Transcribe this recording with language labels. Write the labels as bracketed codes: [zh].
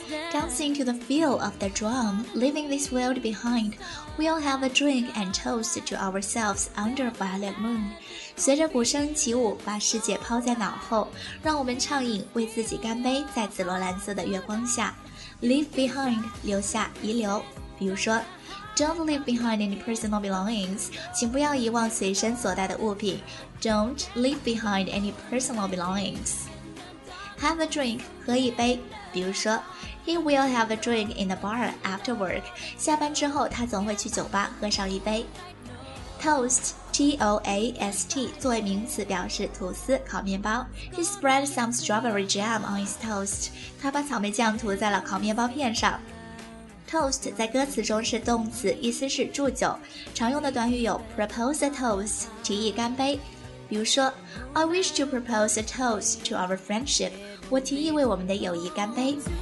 [en] Dancing to the feel of the drum, leaving this world behind, we'll have a drink and toast to ourselves under a violet moon。 [zh] 随着鼓声起舞，把世界抛在脑后，让我们畅饮，为自己干杯，在紫罗兰色的月光下。 [en] Leave behind， [zh] 留下，遗留。比如说 [en] Don't leave behind any personal belongings， [zh] 请不要遗忘随身所带的物品。 [en] Don't leave behind any personal belongings。 Have a drink， [zh] 喝一杯。 比如说 [en] He will have a drink in the bar after work， [zh] 下班之后他总会去酒吧喝上一杯。 Toast, T-O-A-S-T, 作为名词表示吐司、烤面包。 [en] He spread some strawberry jam on his toast. [zh] 他把草莓酱涂在了烤面包片上。 Toast 在歌词中是动词，意思是祝酒。常用的短语有 [en] propose a toast， [zh] 提议干杯。比如说 [en] I wish to propose a toast to our friendship， [zh] 我提议为我们的友谊干杯。